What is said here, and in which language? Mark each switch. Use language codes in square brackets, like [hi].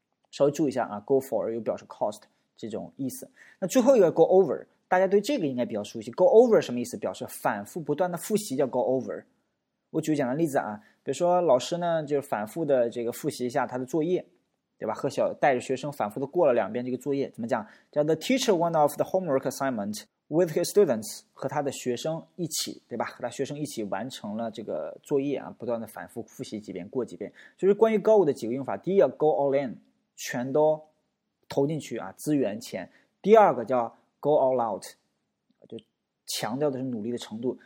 [zh] 稍微注意一下啊，go for 有表示 cost 这种意思。那最后一个 go over，大家对这个应该比较熟悉。go over 什么意思？表示反复不断的复习叫 go over。我举个简单例子啊，比如说老师呢就是反复的这个复习一下他的作业，对吧？和小带着学生反复的过了两遍这个作业，怎么讲？ [en] 叫 the teacher went off the homework assignment。 With his students [zh] 和他的学生一起，对吧？和他学生一起完成了这个作业啊，不断的反复复习几遍，过几遍。就是关于 go 的几个用法，第一个 go all in，全都投进去啊，资源钱。第二个叫 go all out，就强调的是努力的程度。